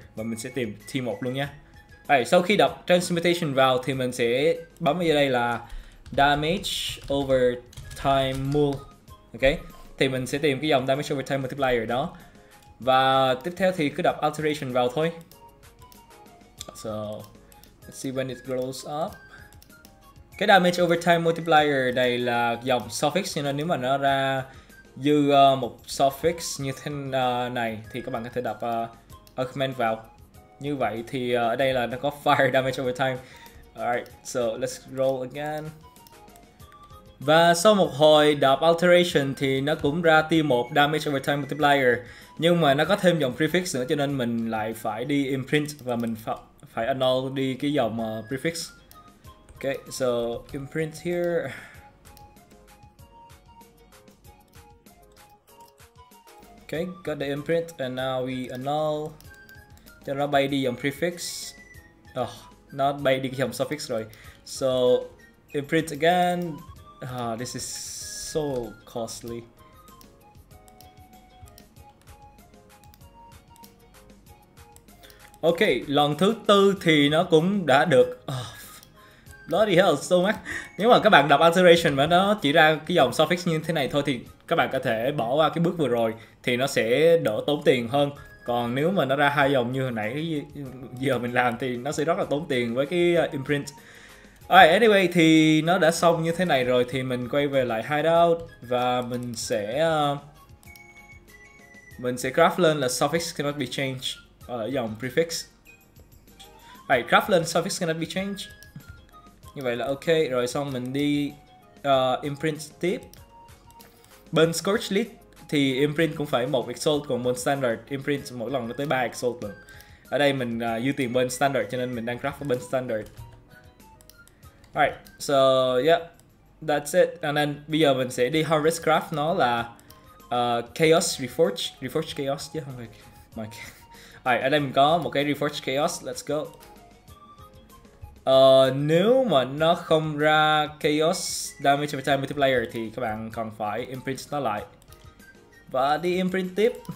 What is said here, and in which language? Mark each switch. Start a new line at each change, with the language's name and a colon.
Vietnamese: Và mình sẽ tìm T1 luôn nha. Rồi, sau khi đọc Transmutation vào thì mình sẽ bấm vào đây là Damage Over Time Mul. Ok. Thì mình sẽ tìm cái dòng Damage Over Time Multiplier đó. Và tiếp theo thì cứ đọc Alteration vào thôi.
English: So, let's see when it grows up.
Vietnamese: Cái Damage Over Time Multiplier này là dòng suffix, cho nên nếu mà nó ra dư một suffix như thế này thì các bạn có thể đập augment vào. Như vậy thì ở đây là nó có fire damage over time.
English: Alright, so let's roll again.
Vietnamese: Và sau một hồi đập alteration thì nó cũng ra T1 damage over time multiplier, nhưng mà nó có thêm dòng prefix nữa, cho nên mình lại phải đi imprint và mình phải annul đi cái dòng prefix.
English: Ok, so imprint here. Okay, got the imprint, and now we annul.
Vietnamese: Cho nó bay đi dòng prefix. Nó bay đi dòng suffix rồi.
English: So, imprint again. This is so costly.
Vietnamese: Okay, lần thứ tư thì nó cũng đã được.
English: Bloody hell, so much.
Vietnamese: Nếu mà các bạn đọc alteration mà nó chỉ ra cái dòng suffix như thế này thôi thì các bạn có thể bỏ qua cái bước vừa rồi thì nó sẽ đỡ tốn tiền hơn. Còn nếu mà nó ra hai dòng như hồi nãy giờ mình làm thì nó sẽ rất là tốn tiền với cái imprint.
English: Alright, anyway
Vietnamese: thì nó đã xong như thế này rồi thì mình quay về lại hideout và mình sẽ craft lên là
English: suffix cannot be changed
Vietnamese: ở dòng prefix.
English: Alright, craft lên suffix cannot be changed.
Vietnamese: Như vậy là ok, rồi xong mình đi imprint tiếp. Bên Scorch Lead thì imprint cũng phải 1 exalt, còn bên Standard imprint mỗi lần nó tới 3 exalt lần. Ở đây mình dư tiền bên Standard cho nên mình đang craft bên Standard.
English: Alright, so yeah, that's it. And then
Vietnamese: bây giờ mình sẽ đi Harvest Craft, nó là Chaos Reforge. Reforge Chaos, yeah, không phải my... Alright, ở đây mình có một cái Reforge Chaos,
English: let's go.
Vietnamese: Nếu mà nó không ra Chaos Damage Over Time Multiplier thì các bạn còn phải imprint nó lại và đi imprint tiếp.